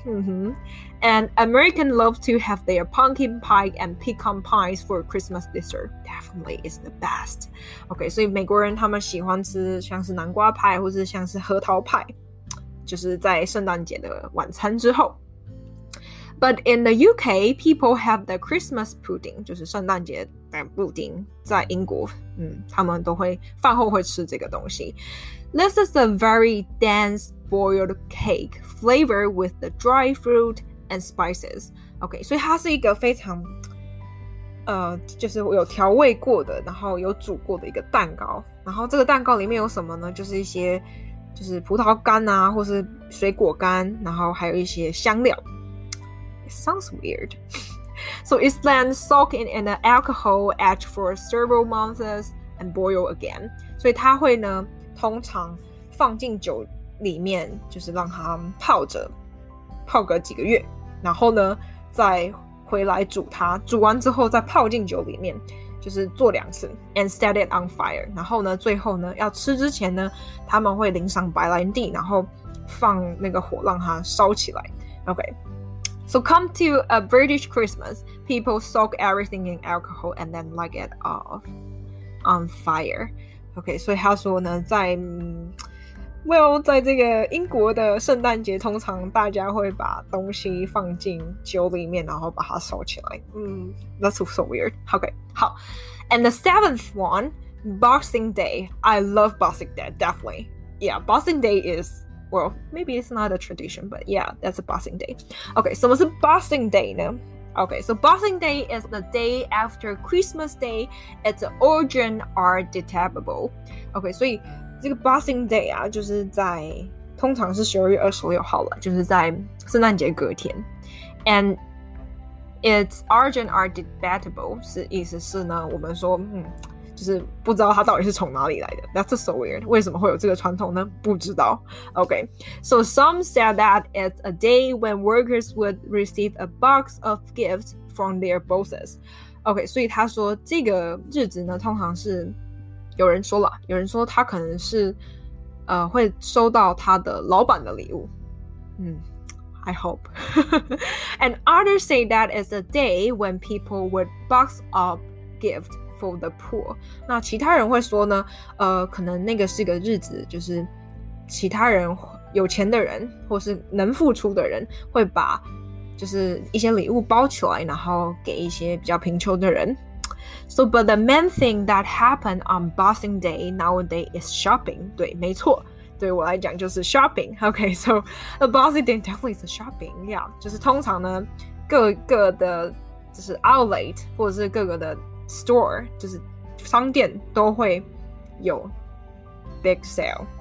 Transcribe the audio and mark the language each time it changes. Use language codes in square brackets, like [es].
[en] And Americans love to have their pumpkin pie and pecan pies for Christmas dessert. Definitely is the best. [zh] OK， 所以美国人他们喜欢吃像是南瓜派或是像是核桃派，就是在圣诞节的晚餐之后。 [en] But in the UK, people have the Christmas pudding， [zh] 就是圣诞节的布丁。在英国，他们都会饭后会吃这个东西。 [en] This is a very dense boiled cake flavored with the dry fruit and spices. [zh] OK， 所以它是一个非常，就是有调味过的，然后有煮过的一个蛋糕。然后这个蛋糕里面有什么呢？就是一些就是葡萄干啊，或是水果干，然后还有一些香料。 [en] It sounds weird. So it's then soaked in an alcohol aged for several months and boiled again. [zh] 所以它会呢，通常放进酒里面，就是让它泡着，泡个几个月，然后呢，再回来煮它，煮完之后再泡进酒里面，就是做两次 ， [en] and set it on fire. [zh] 然后呢，最后呢，要吃之前呢，他们会淋上白兰地，然后放那个火让它烧起来。 [en] Okay. So come to a British Christmas, people soak everything in alcohol and then light it off on fire. [zh] Okay, 所以他说呢，在在这个英国的圣诞节，通常大家会把东西放进酒里面，然后把它烧起来。 [en] That's so weird. Okay, 好。And the seventh one, Boxing Day. I love Boxing Day, definitely. Yeah, Boxing Day is... Well, maybe it's not a tradition, but yeah, that's a Boxing Day. Okay, so what's a Boxing Day, no? Okay, so Boxing Day is the day after Christmas Day. Its origin are debatable. Okay, so this Boxing Day, [zh] 就是在通常是12月26号了，就是在圣诞节隔天。 [en] And its origin are debatable. [zh] 是意思是呢，我们说，就是不知道它到底是从哪里来的。 [en] That's so weird. [zh] 为什么会有这个传统呢？不知道。Okay. [en] So some said that it's a day when workers would receive a box of gifts from their bosses. Okay. [zh] 所以他说这个日子呢，通常是有人说他可能是会收到他的老板的礼物。 [en] I hope. And others say that it's a day when people would box up giftfor the poor. [zh] 那其他人会说呢，可能那个是个日子，就是其他人有钱的人或是能付出的人会把就是一些礼物包起来，然后给一些比较贫穷的人。 [en] So but the main thing that happened on Boxing Day nowadays is shopping. [zh] 对，没错，对我来讲就是 [en] shopping. Okay, so a Boxing Day definitely is shopping. [zh] Yeah, 就是通常呢各的就是 outlet 或者是各个的store 就是商店都会有 [en] big sale